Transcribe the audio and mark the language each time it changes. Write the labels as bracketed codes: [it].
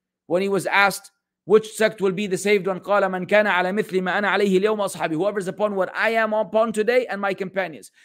[en] When he was asked, which sect will be the saved one? [ar] قال من كان على مثل ما أنا عليه اليوم أصحابي. [en] Whoever is upon what I am upon today and my companions.